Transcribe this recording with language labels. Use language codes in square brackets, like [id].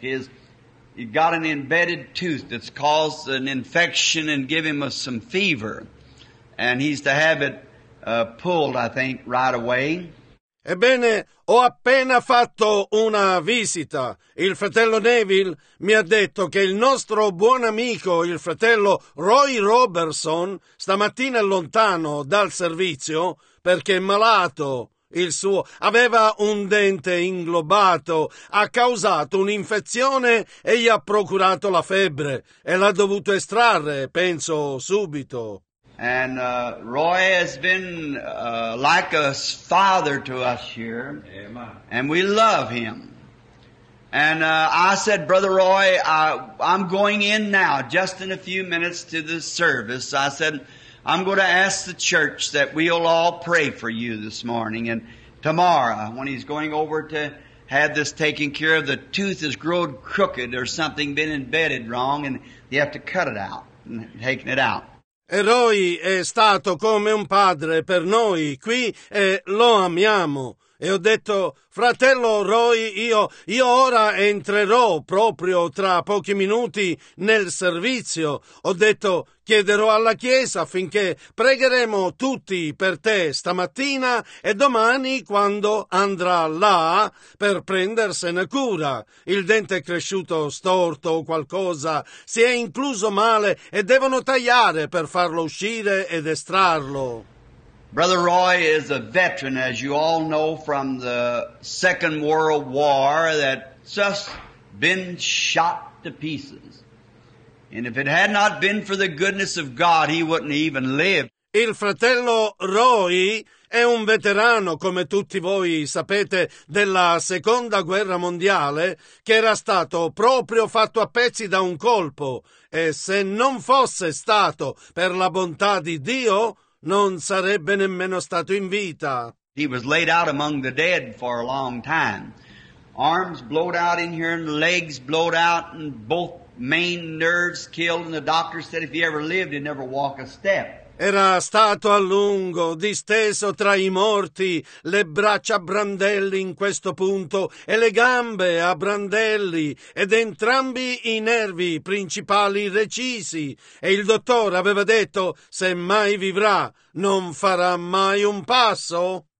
[en] He got an embedded tooth that's caused an infection and give him some fever. And he's to have it pulled, I think, right away. [it] Ebbene, ho appena fatto una visita. Il fratello Neville mi ha detto che il nostro buon amico, il fratello Roy Robertson, stamattina è lontano dal servizio perché è malato. Il suo aveva un dente inglobato, ha causato un'infezione e gli ha procurato la febbre e l'ha dovuto estrarre, penso, subito. [en] And Roy has been like a father to us here, and we love him. And I said, Brother Roy, I'm going in now, just in a few minutes, to the service. I said, I'm going to ask the church that we'll all pray for you this morning. And tomorrow, when he's going over to have this taken care of, the tooth has grown crooked or something been embedded wrong, and you have to cut it out, taking it out. [it] Eroi è stato come un padre per noi qui e lo amiamo. e ho detto: fratello Roy, io ora entrerò proprio tra pochi minuti nel servizio. Ho detto: chiederò alla Chiesa affinché pregheremo tutti per te stamattina e domani quando andrà là per prendersene cura. Il dente è cresciuto storto o qualcosa, si è incluso male e devono tagliare per farlo uscire ed estrarlo. [en] Brother Roy is a veteran, as you all know from the Second World War, that's just been shot to pieces. And if it had not been for the goodness of God, he wouldn't even live. [it] Il fratello Roy è un veterano, come tutti voi sapete, della Seconda Guerra Mondiale, che era stato proprio fatto a pezzi da un colpo. E se non fosse stato per la bontà di Dio, non sarebbe nemmeno stato in vita. [en] He was laid out among the dead for a long time. Arms blowed out in here and legs blowed out and both main nerves killed, and the doctor said if he ever lived he'd never walk a step. [it] Era stato a lungo disteso tra i morti, le braccia a brandelli in questo punto e le gambe a brandelli ed entrambi i nervi principali recisi, e il dottore aveva detto se mai vivrà non farà mai un passo.